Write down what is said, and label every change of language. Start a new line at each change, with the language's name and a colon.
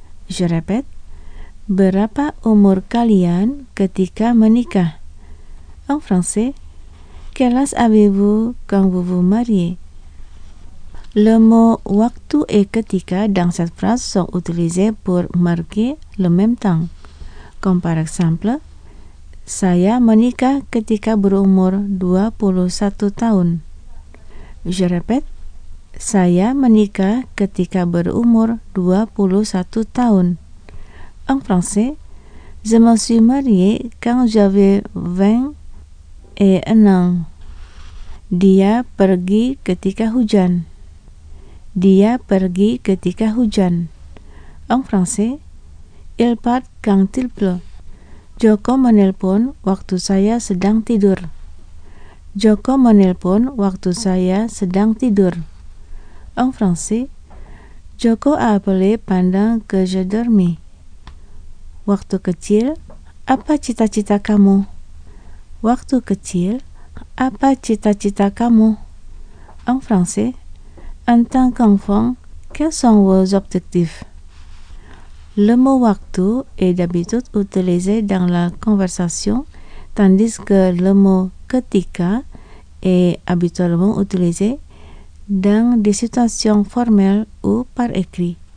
French: Je répète,
Indonesian: berapa umur kalian ketika menikah?
French: En français, quel âge avez-vous quand vous vous mariez? Le mot waktu et ketika dans cette phrase sont utilisés pour marquer le même temps. Comme par exemple,
Indonesian: saya menikah ketika berumur 21 tahun.
French: Je répète,
Indonesian: saya menikah ketika berumur 21 tahun.
French: En français, je me suis marié quand j'avais 26 ans.
Indonesian: Dia pergi ketika hujan. Dia pergi ketika hujan.
French: En français, il part quand il pleut.
Indonesian: Joko menelpon waktu saya sedang tidur. Joko menelpon waktu saya sedang tidur.
French: En français, Joko a appelé pendant que je dormais.
Indonesian: Waktu kecil, apa cita-cita kamu? Waktu kecil, apa cita-cita kamu?
French: En français, en tant qu'enfant, quels sont vos objectifs? Le mot waktu est d'habitude utilisé dans la conversation, tandis que le mot ketika est habituellement utilisé dans des situations formelles ou par écrit.